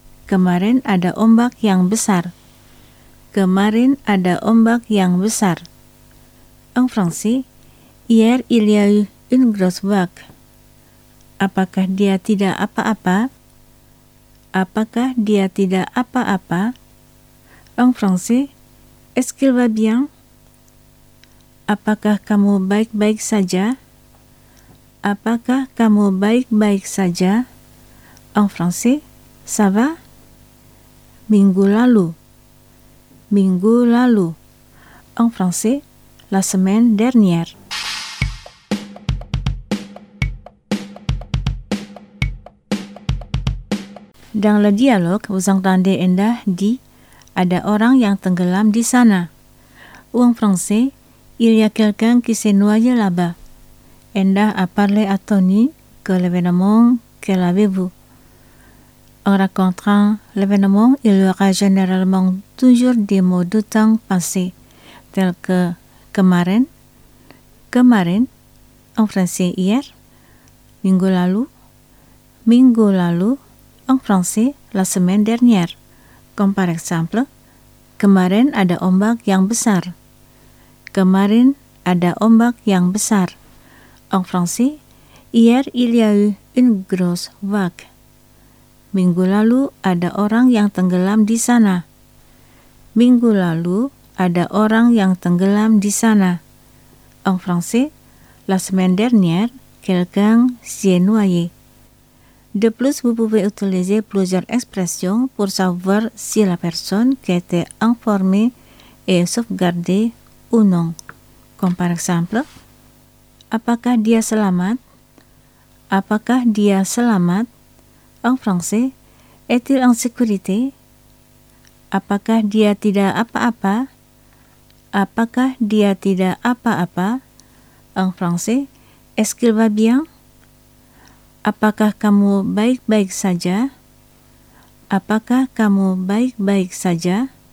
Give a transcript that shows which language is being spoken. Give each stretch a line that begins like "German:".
Indonesian: Kemarin ada ombak yang besar. Kemarin ada ombak yang besar.
French: En français, hier il y a eu une grosse vague.
Indonesian: Apakah dia tidak apa-apa? Apakah dia tidak apa-apa?
French: En français, est-ce qu'il va bien?
Indonesian: Apakah kamu baik-baik saja? Apakah kamu baik-baik saja?
French: En français, ça va?
Indonesian: Minggu lalu. Minggu lalu.
French: En français, la semaine dernière. Dans le dialogue, vous entendez Enda dit «
Indonesian: Ada orang yang tenggelam di sana.
French: » Ou en français, « Il y a quelqu'un qui s'est noyé là-bas. » Enda a parlé à Tony que l'événement qu'elle avait vu. En racontant l'événement, il y aura généralement toujours des mots du temps passé, tels que « kemarin »,« kemarin », en français « hier »,« minggu lalu », »,« minggu lalu », en français, la semaine dernière. Comme par exemple,
Indonesian: kemarin ada ombak yang besar. Kemarin ada ombak yang besar.
French: En français, hier il y a eu une grosse vague.
Indonesian: Minggu lalu ada orang yang tenggelam di sana. Minggu lalu ada orang yang tenggelam di sana.
French: En français, la semaine dernière, quelqu'un s'est noyé. De plus, vous pouvez utiliser plusieurs expressions pour savoir si la personne qui était informée est sauvegardée ou non. Comme par exemple,
Indonesian: apakah dia selamat? Apakah dia selamat?
French: En français, est-il en sécurité?
Indonesian: Apakah dia tidak apa-apa? Apakah dia tidak apa-apa?
French: En français, est-ce qu'il va bien?
Indonesian: Apakah kamu baik-baik saja? Apakah kamu baik-baik saja?